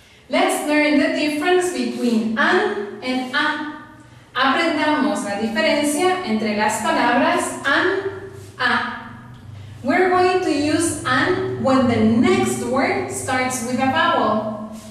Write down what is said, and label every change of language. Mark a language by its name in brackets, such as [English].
[English] Let's learn the difference between an and a. [Spanish] Aprendamos la diferencia entre las palabras an, a. [English] We're going to use an when the next word starts with a vowel.